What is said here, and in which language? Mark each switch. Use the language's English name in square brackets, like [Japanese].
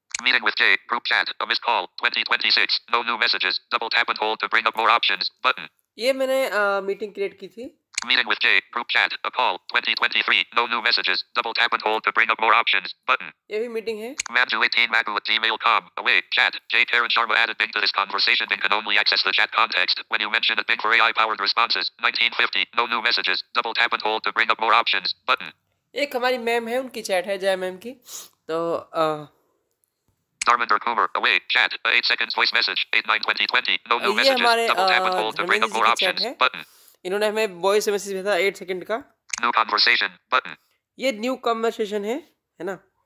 [English] Meeting with J, group chat, a missed call, 2026, no new messages, double tap and hold to bring up more options, button. [Hindi] ये मैंने meeting create की थी। [English] Meeting with J, group chat, a call, 2023, no new messages, double tap and hold to bring up more options, button. [Hindi] ये भी मीटिng है। [English] Manju18magu@gmail.com, away, chat, J. Karan Sharma added Bing to this conversation, Bing can only access the chat context, when you mention a Bing for AI-powered responses, 1950, no new messages, double tap and hold to bring up more options, button. [Hindi] एक हमारी ma'am है, उनकी chat है, जय ma'am की, तो [English] Darmander Kumar, away, chat, 8 seconds voice message, 8-9-20-20, no new messages, [Hindi] हमारे, [English] double tap and hold to bring up more options, button. [Hindi] इन्होंने हमें वॉइस मैसेज भेजा 8 सेकंड का। [English] new conversation button, [Hindi] ये न्यू कन्वर्सेशन है ना,